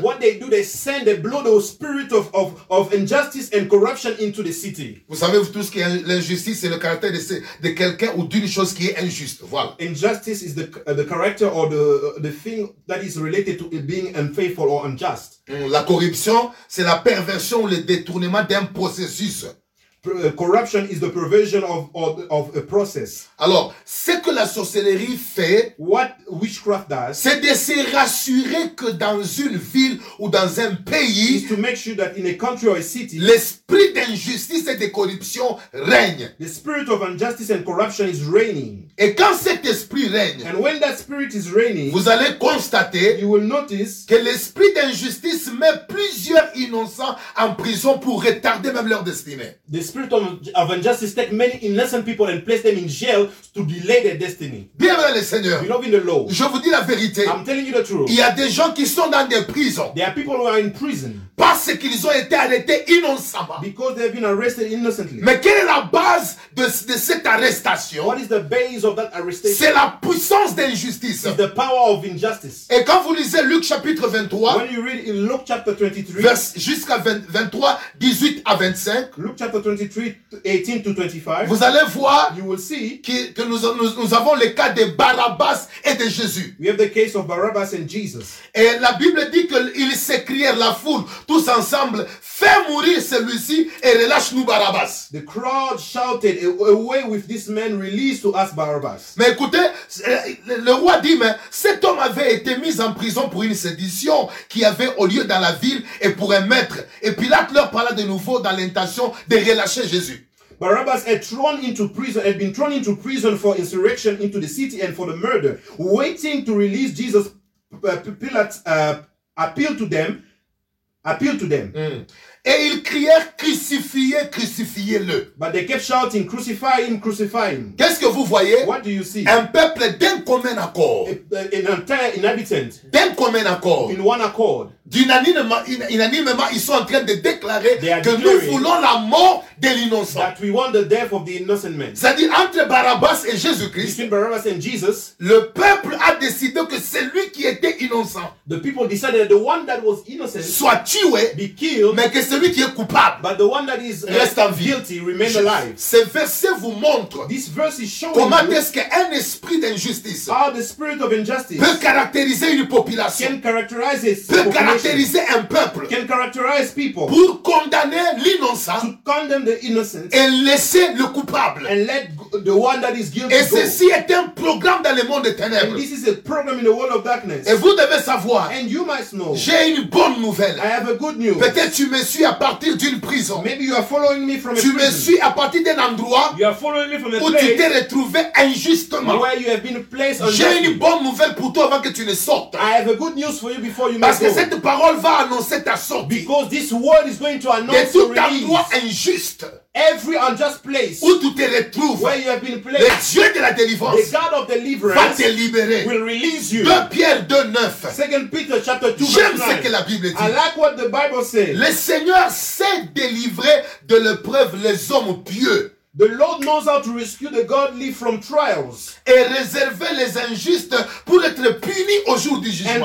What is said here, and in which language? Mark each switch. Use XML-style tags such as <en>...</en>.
<en>What they do, they send, they blow the spirit of injustice and corruption into the city.</en> <fr>Savez-vous tout ce qui est l'injustice, c'est le caractère de quelqu'un ou d'une chose qui est injuste. Voilà.</fr> <en>Injustice is the character or the thing that is related to it being unfaithful or unjust.</en> <fr>La corruption, c'est la perversion ou le détournement d'un processus.</fr> <en>Corruption is the perversion of a process.</en> <fr>Alors, ce que la sorcellerie fait,</fr> <en>what witchcraft does,</en> <fr>c'est de se rassurer que dans une ville ou dans un pays,</fr> <en>is to make sure that in a country or a city,</en> <fr>l'esprit d'injustice et de corruption règne.</fr> <en>The spirit of injustice and corruption is reigning.</en> <fr>Et quand cet esprit règne,</fr> <en>and when that spirit is reigning,</en> <fr>vous allez constater,</fr> <en>you will notice,</en> <fr>que l'esprit d'injustice met plusieurs innocents en prison pour retarder même leur destinée.</fr> <en>The spirit of injustice takes many innocent people and place them in jail to delay their destiny.</en> <fr>Bien le Seigneur.</fr> <en>Beloved in the Lord.</en> <fr>Je vous dis la vérité.</fr> <en>I'm telling you the truth.</en> <fr>Il y a des gens qui sont dans des prisons.</fr> <en>There are people who are in prison.</en> <fr>Parce qu'ils ont été arrêtés innocemment.</fr> <en>Because they have been arrested innocently.</en> <fr>Mais quelle est la base de cette arrestation?</fr> <en>What is the base of that arrestation?</en> <fr>C'est la puissance d'injustice.</fr> <en>It's the power of injustice.</en> <fr>Et quand vous lisez Luc chapitre 23,</fr> <en>when you read in Luke chapter 23,</en> <fr>verse jusqu'à 23, 18 à 25,</fr> <en>Luke chapter 23, 18 to 25,</en> <fr>vous allez voir,</fr> <en>you will see,</en> <fr>que nous avons le cas de Barabbas et de Jésus.</fr> <en>We have the case of Barabbas and Jesus.</en> <fr>Et la Bible dit qu'ils s'écrièrent, la foule, tous ensemble, fais mourir celui-ci et relâche-nous Barabbas.</fr> <en>The crowd shouted, away with this man, release to us Barabbas.</en> <fr>Mais écoutez, le roi dit, mais cet homme avait été mis en prison pour une sédition qui avait au lieu dans la ville et pour un maître. Et Pilate leur parla de nouveau dans l'intention de relâcher Jésus.</fr> <en>Barabbas had thrown into prison, had been thrown into prison for insurrection into the city and for the murder, waiting to release Jesus. Pilate appealed to them. Mm.</en> <fr>Et ils crièrent, crucifiez, crucifiez-le.</fr> <en>But they kept shouting, crucify him, crucify him.</en> <fr>Qu'est-ce que vous voyez?</fr> <en>What do you see?</en> <fr>Un peuple d'un commun accord.</fr> <en>An entire inhabitant.</en> <fr>D'un commun accord.</fr> <en>In one accord.</en> <fr>D'unanimement, ils sont en train de déclarer que nous voulons la mort de l'innocent.</fr> <en>That we want the death of the innocent man.</en> <fr>C'est-à-dire entre Barabbas et Jésus-Christ.</fr> <en>Between Barabbas and Jesus.</en> <fr>Le peuple a décidé que celui qui était innocent.</fr> <en>The people decided that the one that was innocent.</en> <fr>Soit tué.</fr> <en>Be killed.</en> <fr>Mais que celui qui est coupable.</fr> <en>But the one that is</en> <fr>reste en vie.</fr> <en>Guilty remain alive.</en> <fr>Ce verset vous montre.</fr> <en>This verse is showing.</en> <fr>Comment est-ce qu'un esprit d'injustice.</fr> <en>How the spirit of injustice.</en> <fr>Peut caractériser une population.</fr> <en>Can characterize a population.</en> <fr>Caractériser un peuple,</fr> <en>can characterize people,</en> <fr>pour condamner l'innocent,</fr> <en>to condemn the innocent,</en> <fr>et laisser le coupable,</fr> <en>and let the one that is guilty.</en> <fr>Et ceci est un programme dans le monde des ténèbres.</fr> <en>And this is a program in the world of darkness.</en> <fr>Et vous devez savoir,</fr> <en>and you must know,</en> <fr>j'ai une bonne nouvelle.</fr> <en>I have a good news.</en> <fr>Peut-être tu me suis à partir d'une prison.</fr> <en>Maybe you are following me from a</en> <fr>tu</fr> <en>prison.</en> <fr>Tu me suis à partir d'un endroit,</fr> <en>you are following me from a</en> <fr>où</fr> <en>place</en> <fr>tu t'es retrouvé injustement.</fr> <en>Where you have been placed on.</en> <fr>J'ai une bonne nouvelle pour toi avant que tu ne sortes.</fr> <en>I have a good news for you before you.</en> <fr>Parce</fr> <en>may</en> <fr>que</fr> <en>go.</en> <fr>Cette parole va annoncer ta sortie.</fr> <en>Because this word is going to announce</en> <fr>de tout endroit injuste.</fr> <en>Every unjust place.</en> <fr>Où tu te retrouves.</fr> <en>Where you have been placed.</en> <fr>Le Dieu de la délivrance.</fr> <en>The God of deliverance.</en> <fr>Va te libérer.</fr> <en>Will release you.</en> <fr>2 Pierre 2, 9.</fr> <en>2 Peter chapter 2,</en> <fr>j'aime</fr> <en>verse 9.</en> <fr>J'aime ce que la Bible dit.</fr> <en>I like what the Bible says.</en> <fr>Le Seigneur sait délivrer de l'épreuve les hommes pieux.</fr> <en>The Lord knows how to rescue the godly from trials.</en> <fr>Et réserver les injustes pour être punis au jour du jugement.</fr>